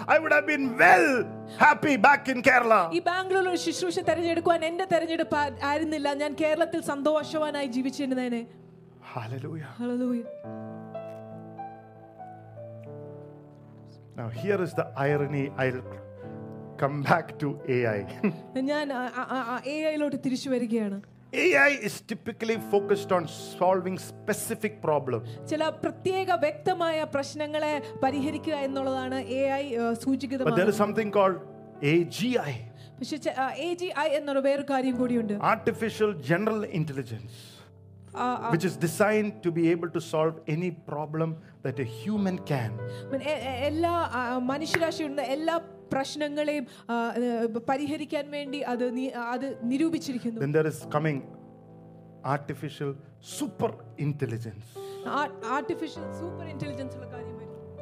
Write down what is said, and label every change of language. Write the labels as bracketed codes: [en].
[en] I would have been well happy back in Kerala. [ml] ഈ ബാംഗ്ലൂരിൽ ശുശ്രൂഷ തിരഞ്ഞെടുക്കാൻ എൻ്റെ തിരഞ്ഞെടുപ്പ് ആയിരുന്നില്ല. ഞാൻ കേരളത്തിൽ സന്തോഷവാനായി ജീവിച്ചിരുന്നേനെ. [en] Hallelujah. Hallelujah. Now here is the irony. I'll come back to AI. [ml] ഞാൻ AI ലോട്ട് തിരിച്ചു വരികയാണ്. [en] AI is typically focused on solving specific problems. [ml] ചില പ്രത്യേക വ്യക്തമായ പ്രശ്നങ്ങളെ പരിഹരിക്കുക എന്നുള്ളതാണ് AI സൂചിപ്പിക്കുന്നത്. [en] But there is something called AGI. [ml] പക്ഷേ AGI എന്നൊരു വേറെ കാര്യം കൂടിയുണ്ട്. [en] Artificial General Intelligence. Which is designed to be able to solve any problem that a human can. [ml] എല്ലാ മനുഷ്യരാശിയുള്ള എല്ലാ പ്രശ്നങ്ങളെയും പരിഹരിക്കാൻ വേണ്ടി അത് അത് നിരൂപിച്ചിരിക്കുന്നു. [en] Then there is coming artificial super intelligence. [ml] Artificial super intelligence ഉള്ള കാര്യം വരും.